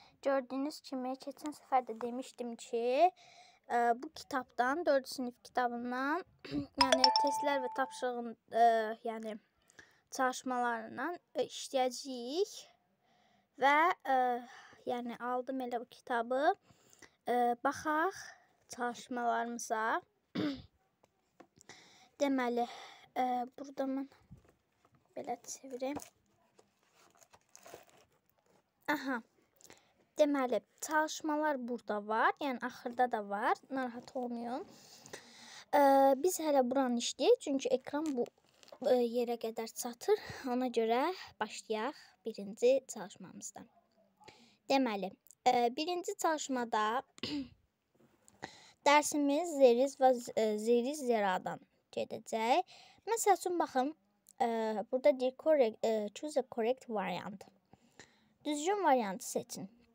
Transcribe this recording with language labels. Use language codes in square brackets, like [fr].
[az] Gördüyünüz kimi, keçən səfər də demişdim ki, bu kitabdan, 4 sinif kitabından, yəni testlər və tapşırığın, yəni çalışmalarından işləyəcəyik. Və yəni aldım elə bu kitabı. Baxaq çalışmalarımıza. Deməli, burada mən belə çevirim. Aha. Deməli, çalışmalar burada var. Yəni, axırda da var. Narahat olmayın. Biz hələ buranı işləyək. Çünki ekran bu yerə qədər çatır. Ona görə başlayaq birinci çalışmamızda. Deməli, birinci çalışmada dərsimiz Zeriz və Zeriz Zeradan gedəcək. Məsəl üçün, baxın, burada deyir, [en] choose a correct variant. [az] Düzgün variantı seçin.